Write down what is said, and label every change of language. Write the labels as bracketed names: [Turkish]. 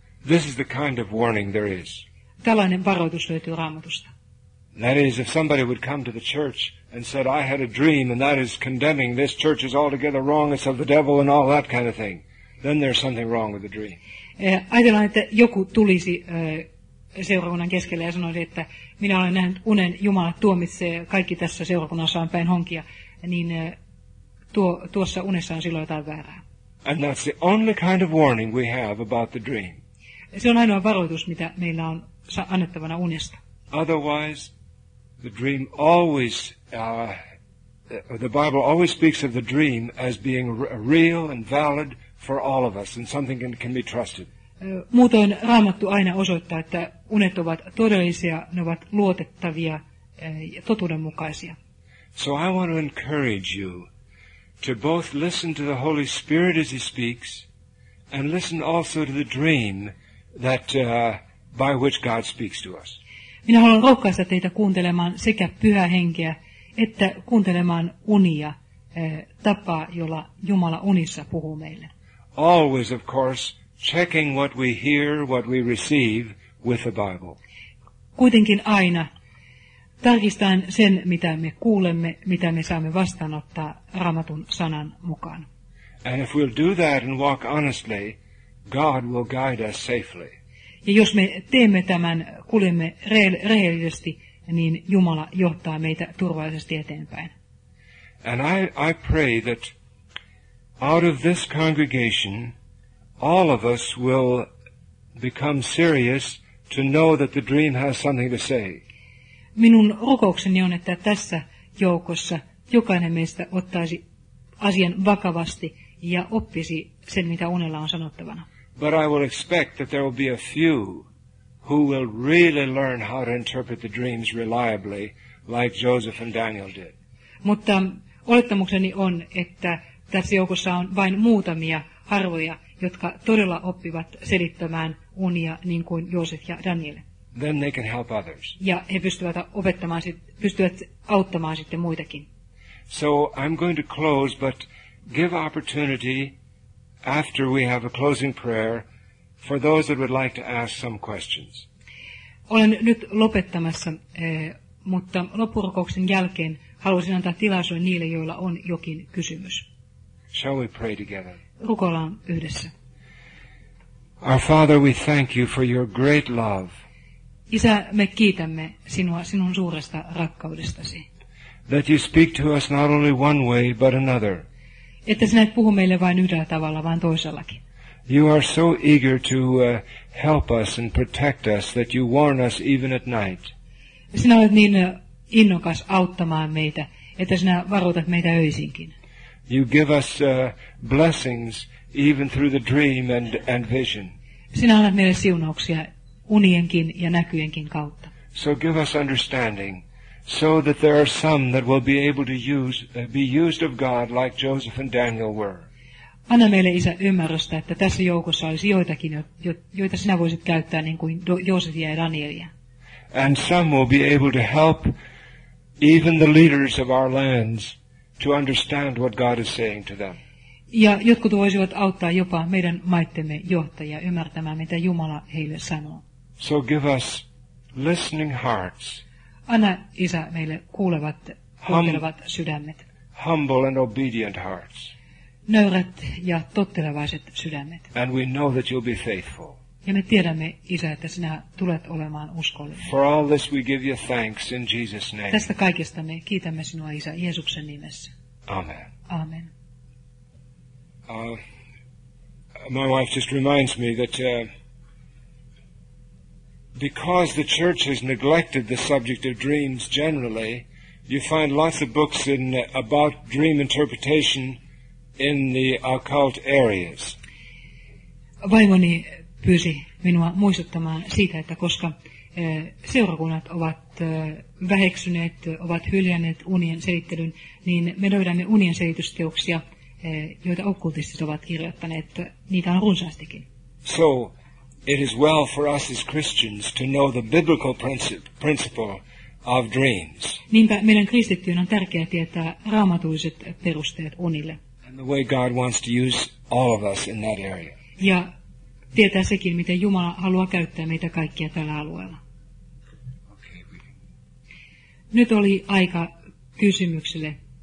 [English] This is the kind of warning there is. [Finnish] Tällainen varoitus löytyy Raamatusta. [English] That is, if somebody would come to the church and said, I had a dream, and that is condemning, this church is altogether wrong, it's of the devil, and all that kind of thing, then there's something wrong with the dream. [Finnish] Ajatellaan, että joku tulisi seurakunnan keskelle ja sanoisi, että minä olen nähnyt unen, Jumala tuomitsee kaikki tässä seurakunnassa on päin honkia, niin tuossa unessa on silloin jotain väärää. [English] And that's the only kind of warning we have about the dream. [Finnish] Se on ainoa varoitus, mitä meillä on annettavana unesta. [English] Otherwise, the dream always, the Bible always speaks of the dream as being real and valid for all of us, and something can be trusted. [Finnish] Muutoin Raamattu aina osoittaa, että unet ovat todellisia, ne ovat luotettavia ja totuudenmukaisia. [English] So I want to encourage you to both listen to the Holy Spirit as he speaks, and listen also to the dream that by which God speaks to us. [Finnish] Minä haluan rohkaista teitä kuuntelemaan sekä Pyhää Henkeä että kuuntelemaan unia, tapaa, jolla Jumala unissa puhuu meille. [English] Always, of course, checking what we hear, what we receive with the Bible. [Finnish] Kuitenkin aina tarkistaen sen, mitä me kuulemme, mitä me saamme vastaanottaa Raamatun sanan mukaan. [English] And if we'll do that and walk honestly, God will guide us safely. [Finnish] Ja jos me teemme tämän, kuljemme rehellisesti, niin Jumala johtaa meitä turvallisesti eteenpäin. [English] And I pray that out of this congregation, all of us will become serious to know that the dream has something to say. [Finnish] Minun rukoukseni on, että tässä joukossa jokainen meistä ottaisi asian vakavasti ja oppisi sen, mitä unella on sanottavana. [English] But I will expect that there will be a few who will really learn how to interpret the dreams reliably, like Joseph and Daniel did. [Finnish] Mutta olettamukseni on, että tässä joukossa on vain muutamia harvoja, jotka todella oppivat selittämään unia niin kuin Joosef ja Daniel. [English] Then they can help others. [Finnish] Ja he pystyvät opettamaan, pystyvät auttamaan sitten muitakin. [English] So I'm going to close, but give opportunity after we have a closing prayer for those that would like to ask some questions. [Finnish] Olen nyt lopettamassa, mutta loppurukouksen jälkeen haluaisin antaa tilaisuuden niille, joilla on jokin kysymys. [English] Shall we pray together? [Finnish] Rukoillaan yhdessä. [English] Our Father, we thank you for your great love. [Finnish] Isä, me kiitämme sinua sinun suuresta rakkaudestasi. [English] That you speak to us not only one way, but another. [Finnish] Että sinä et puhu meille vain yhdellä tavalla, vaan toisellakin. [English] You are so eager to help us and protect us that you warn us even at night. [Finnish] Sinä olet niin innokas auttamaan meitä, että sinä varoitat meitä öisinkin. [English] You give us blessings even through the dream and vision. [Finnish] Sinä annat meille siunauksia unienkin ja näkyjenkin kautta. [English] So give us understanding so that there are some that will be able to be used of God like Joseph and Daniel were. [Finnish] Anna meille, Isä, ymmärrystä, että tässä joukossa olisi joitakin, joita sinä voisit käyttää, niin kuin Joosefia ja Danielia. [English] And some will be able to help even the leaders of our lands to understand what God is saying to them. [Finnish] Ja jotkut voisivat auttaa jopa meidän maittemme johtajia ymmärtämään, mitä Jumala heille sanoo. [English] So give us listening hearts. [Finnish] Anna, Isä, meille kuulevat, kuuntelevat sydämet. [English] Humble and obedient hearts. [Finnish] Nöyrät ja tottelevaiset sydämet. [English] And we know that you'll be faithful. [Finnish] Ja me tiedämme, Isä, että sinä tulet olemaan uskollinen. [English] For all this we give you thanks in Jesus' name. [Finnish] Tästä kaikesta me kiitämme sinua, Isä, Jeesuksen nimessä. [English] Amen. [Finnish] Amen. [English] My wife just reminds me that because the church has neglected the subject of dreams generally, you find lots of books in about dream interpretation in the occult areas. [Finnish] Vaimoni pyysi minua muistuttamaan siitä, että koska seurakunnat ovat väheksyneet, ovat hyljänneet unien selittelyn, niin me löydämme unien selitysteoksia, joita okkultistit ovat kirjoittaneet, niitä on runsaastikin. [English] So it is well for us as Christians to know the biblical principle of dreams. [Finnish] Niinpä meidän kristittyjen on tärkeää tietää raamatulliset perusteet unille. [English] And the way God wants to use all of us in that area. [Finnish] Ja tietää sekin, miten Jumala haluaa käyttää meitä kaikkia tällä alueella. Okay, nyt oli aika kysymykselle.